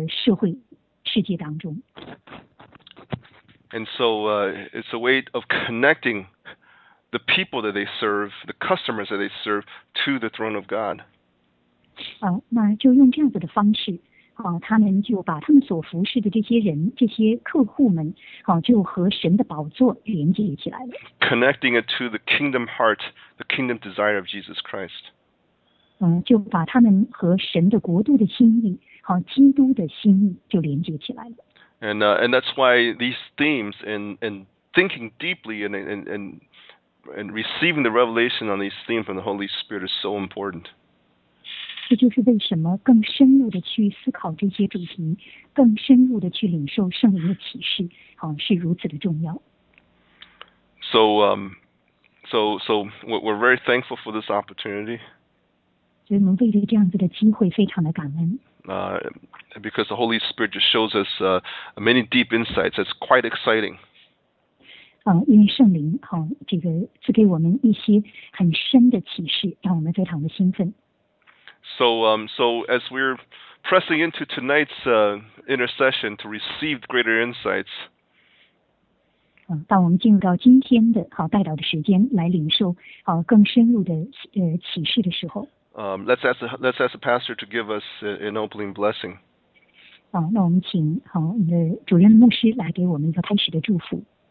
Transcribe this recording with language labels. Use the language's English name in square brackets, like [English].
[Chinese] 他们把建立这个基督的品牌带入到他们，把它带到这个世界当中。 [English] And so it's a way of connecting the people that they serve, the customers that they serve, to the throne of God. [Chinese] 那就用这样子的方式。他们就把他们所服侍的这些人、这些客户们，就和神的宝座连接起来了。 [English] Connecting it to the kingdom heart, the kingdom desire of Jesus Christ. [Chinese] 就把他们和神的国度的心意，基督的心意就连接起来了。 [English] And and that's why these themes and thinking deeply and receiving the revelation on these themes from the Holy Spirit is so important. [Chinese] 这就是为什么更深入的去思考这些主题，更深入的去领受圣灵的启示，是如此的重要。 [English] So, So we're very thankful for this opportunity. [Chinese] 所以我们对于这样子的机会非常的感恩。 [English] Because the Holy Spirit just shows us many deep insights. It's quite exciting. [Chinese] 因为圣灵这个赐给我们一些很深的启示，让我们非常的兴奋。 [English] So as we're pressing into tonight's intercession to receive greater insights. [Chinese] 当我们进入到今天的代祷的时间，来领受更深入的启示的时候。 [English] Let's ask the pastor to give us an opening blessing. [Chinese] 那我们请我们的主任牧师来给我们一个开始的祝福。